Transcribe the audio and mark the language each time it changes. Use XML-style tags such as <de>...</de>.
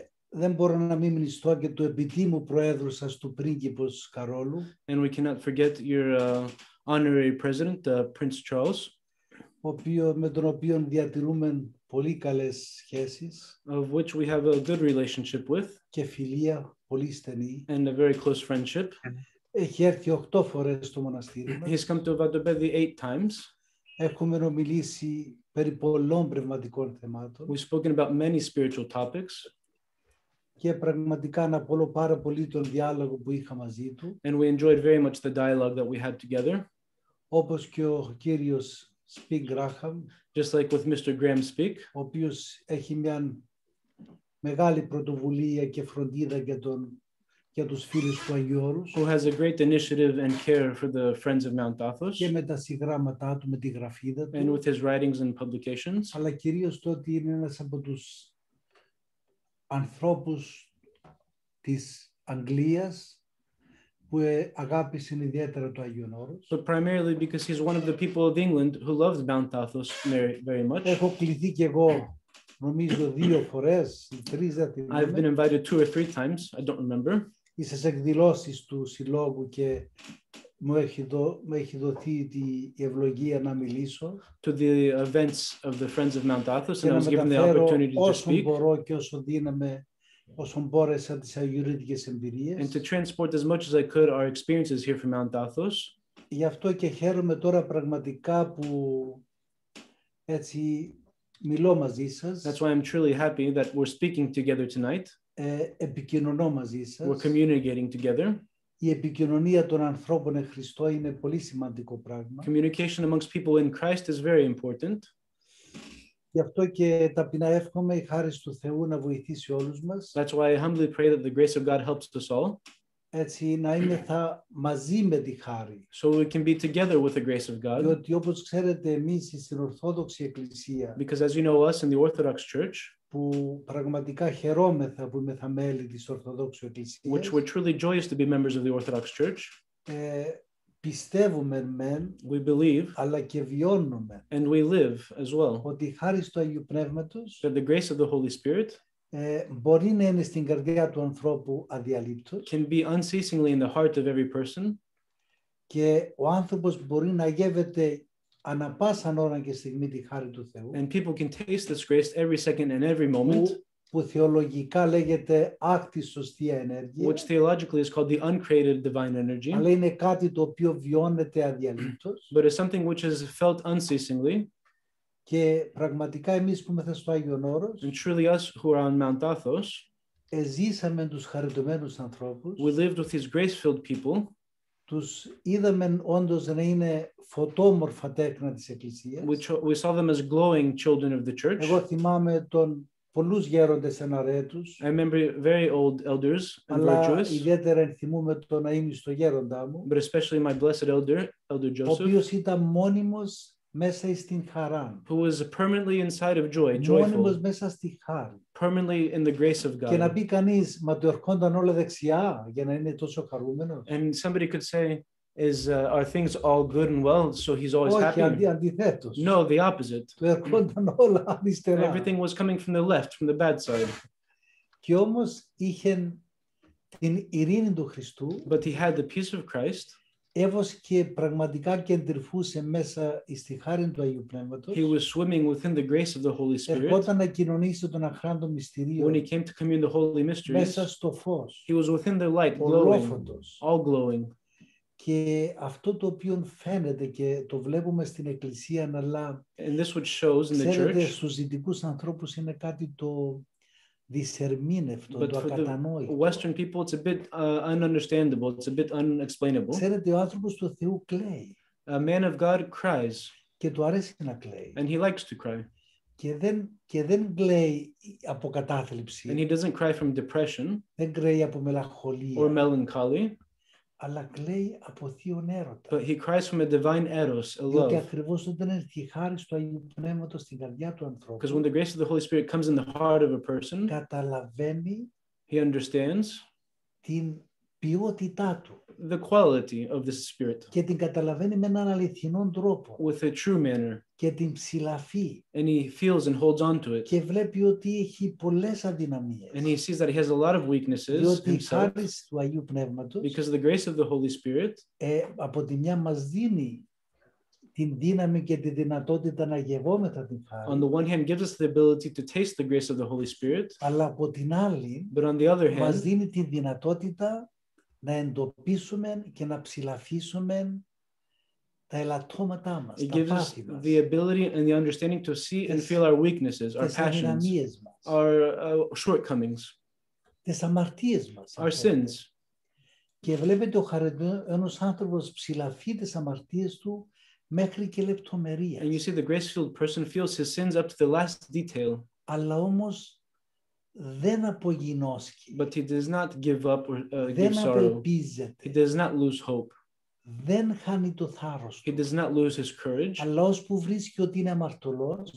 <el>Δεν μπορώ να μην μνηστώ και του επιτίμου προέδρου σας, του πρίγκιπος Καρόλου.</el> <en>And we cannot forget your honorary president, Prince Charles.</en> <el>Με τον οποίο διατηρούμε πολύ καλές σχέσεις.</el> <en>Of which we have a good relationship with.</en> <el>Και φιλία. Πολύ στενή.</el> <en>And a very close friendship.</en> <el>Έχει έρθει 8 φορές στο μοναστήρι μας.</el> <en>He's come to Vatopedi 8 times.</en> <el>Έχουμε μιλήσει περί πολλών πνευματικών θεμάτων.</el> <en>We've spoken about many spiritual topics.</en> <el>Και πραγματικά αναπολώ πάρα πολύ τον διάλογο που είχα μαζί του.</el> <en>And we enjoyed very much the dialogue that we had together.</en> <el>Όπως και ο κύριος Σπικ Γκράχαμ.</el> <en>Just like with Mr. Graham Speak.</en> <el>Ο οποίος έχει μια μεγάλη πρωτοβουλία και φροντίδα για τον για τους φίλους του Αγίου Όρους.</el> <en>Who has a great initiative and care for the friends of Mount Athos.</en> <el>Και με τα συγγράμματά του, με τη γραφίδα του.</el> <en>And with his writings and publications.</en> <el>Αλλά κυρίως το ότι είναι ένας από τους ανθρώπους της Αγγλίας που αγάπησε ιδιαίτερα το Άγιον Όρος.</el> <en>But primarily because he's one of the people of England who loves Mount Athos very much.</en> <el>Έχω κληθεί κι εγώ. Νομίζω δύο φορές, τρεις δεν θυμάμαι.</el> <en>I've been invited two or three times, I don't remember.</en> <el>Στις εκδηλώσεις του συλλόγου και μου έχει δοθεί η ευλογία να μιλήσω.</el> <en>To the events of the Friends of Mount Athos, and I was given the opportunity to speak.</en> <el>Όσο μπορώ και όσο δύναμε, όσο μπόρεσα τις αγιορείτικες εμπειρίες.</el> <en>And to transport as much as I could our experiences here from Mount Athos.</en> <el>Γι' αυτό και χαίρομαι τώρα πραγματικά που έτσι μιλώ μαζί σας.</el> <en>That's why I'm truly happy that we're speaking together tonight.</en> <el>Επικοινωνώ μαζί σας.</el> <en>We're communicating together.</en> <el>Η επικοινωνία των ανθρώπων εν Χριστώ είναι πολύ σημαντικό πράγμα.</el> <en>Communication amongst people in Christ is very important.</en> <el>Γι' αυτό και ταπεινά εύχομαι η χάρη του Θεού να βοηθήσει όλους μας.</el> <en>That's why I humbly pray that the grace of God helps us all.</en> <el>Έτσι να είμεθα μαζί με τη χάρη.</el> <en>So we can be together with the grace of God.</en> <el>Διότι όπως ξέρετε εμείς στην Ορθόδοξη Εκκλησία.</el> <en>Because as you know us in the Orthodox Church.</en> <el>Που πραγματικά χαιρόμεθα που είμεθα μέλη της Ορθόδοξης Εκκλησίας.</el> <en>Which we're truly joyous to be members of the Orthodox Church.</en> <el>Πιστεύουμε μεν.</el> <en>We believe.</en> <el>Αλλά και βιώνουμε.</el> <en>And we live as well.</en> <el>Ότι η χάρη του Αγίου Πνεύματος.</el> <en>That the grace of the Holy Spirit.</en> <el>Μπορεί να είναι στην καρδιά του ανθρώπου αδιαλείπτος.</el> <en>Can be unceasingly in the heart of every person.</en> <el>Και ο άνθρωπος μπορεί να γεύεται ανά πάσα ώρα και στιγμή τη χάρη του Θεού.</el> <en>And people can taste this grace every second and every moment.</en> <el>Που θεολογικά λέγεται άκτη σωστία ενέργεια.</el> <en>Which theologically is called the uncreated divine energy.</en> <el>Αλλά είναι κάτι το οποίο βιώνεται αδιαλείπτος.</el> <en>But it's something which is felt unceasingly.</en> <el>Και πραγματικά εμείς που είμαστε στο Άγιον Όρος,</el> <en>and truly us who are on Mount Athos,</en> <el>εζήσαμε τους χαριτωμένους ανθρώπους,</el> <en>we lived with these grace-filled people,</en> <el>τους είδαμε όντως να είναι φωτόμορφα τέκνα της Εκκλησίας,</el> <en>we saw them as glowing children of the church.</en> <el>Εγώ θυμάμαι τον πολλούς γέροντες εναρέτους,</el> <en>I remember very old elders and</en> <el>αλλά</el> <en>virtuous,</en> <el>ιδιαίτερα θυμούμε τον αείμνηστο γέροντά μου,</el> <en>but especially my blessed elder, Elder Joseph,</en> <el>ο οποίος ήταν μόνιμος μέσα στην χαρά.</el> <en>Who was permanently inside of joy, joyful.</en> <el>Μόνιμος μέσα στη χάρη.</el> <en>Permanently in the grace of God.</en> <el>Και να πει κανείς, μα του ερχόνταν όλα δεξιά για να είναι τόσο χαρούμενος.</el> <en>And somebody could say, is are things all good and well, so he's always</en> <el>όχι,</el> <en>happy?</en> <el>Αντιθέτως.</el> <en>No, the opposite.</en> <el>Του ερχόνταν όλα αριστερά.</el> <en>Everything was coming from the left, from the bad side.</en> <el>Και όμως είχεν την ειρήνη του Χριστού.</el> <en>But he had the peace of Christ.</en> <el>Εύος και πραγματικά κεντρυφούσε μέσα στη χάρη του Αγίου Πνεύματος.</el> <en>He was swimming within the grace of the Holy Spirit.</en> <el>Ερχόταν να κοινωνήσει τον αχράντο μυστηρίο.</el> <en>When he came to commune the holy mysteries.</en> <el>Μέσα στο φως.</el> <en>He was within the light, glowing.</en> <el>Ολόφωτος.</el> <en>All glowing.</en> <el>Και αυτό το οποίο φαίνεται και το βλέπουμε στην Εκκλησία, αλλά</el> <en>and this which shows in the church.</en> <el>Ξέρετε, στους δυτικούς ανθρώπους είναι κάτι το δυσερμήνευτο, το ακατανόητο.</el> <en>Western people, it's a bit ununderstandable, it's a bit unexplainable.</en> <el>Ξέρετε, ο άνθρωπος του Θεού κλαίει.</el> <en>A man of God cries.</en> <el>Και του αρέσει να κλαίει.</el> <en>And he likes to cry.</en> <el>Και δεν κλαίει από κατάθλιψη.</el> <en>And he doesn't cry from depression.</en> <el>Δεν κλαίει από μελαγχολία.</el> <en>Or melancholy.</en> <el>Αλλά κλαίει από θείον έρωτα.</el> <en>But he cries from a divine eros, a love.</en> <el>Γιατί ακριβώς όταν έρθει η χάρις του Αγίου Πνεύματος στην καρδιά του ανθρώπου.</el> <en>Because when the grace of the Holy Spirit comes in the heart of a person.</en> <el>Καταλαβαίνει.</el> <en>He understands.</en> <el>Την ποιότητά του.</el> <en>The quality of the Spirit.</en> <el>Και την καταλαβαίνει με έναν αληθινόν τρόπο.</el> <en>With a true manner.</en> <el>Και την ψηλαφεί.</el> <en>And he feels and holds on to it.</en> <el>Και βλέπει ότι έχει πολλές αδυναμίες.</el> <en>And he sees that he has a lot of weaknesses himself.</en> <el>Διότι η χάρις του Αγίου Πνεύματος.</el> <en>Because of the grace of the Holy Spirit.</en> <el>Από τη μια μας δίνει την δύναμη και τη δυνατότητα να γευόμεθα την χάρη.</el> <en>On the one hand, gives us the ability to taste the grace of the Holy Spirit.</en> <el>Αλλά από την άλλη,</el> <en>but on the other hand,</en> <el>μας δίνει τη δυνατότητα να εντοπίσουμε και να ψηλαφίσουμε τα ελαττώματά μας,</el> <en>it gives</en> <el>τα πάθη</el> <en>us the ability and the understanding to see and feel our weaknesses, our passions, our shortcomings,</en> <el>τις αμαρτίες μας,</el> <en>our sins.</en> <el>Και βλέπετε ο χαριτωμένος άνθρωπος ψηλαφεί τις αμαρτίες του μέχρι και λεπτομερία.</el> <en>And you see the grace-filled person feels his sins up to the last detail.</en> <el>Αλλά όμως δεν απογεινώσκει.</el> <en>But he does not give up or</en> <el>δεν</el> <en>give sorrow.</en> <el>Απελπίζεται.</el> <en>He does not lose hope.</en> <el>Δεν χάνει το θάρρος.</el> <en>He does not lose his courage.</en> <el>Αλλά όσπου βρίσκει ότι είναι αμαρτωλός,</el>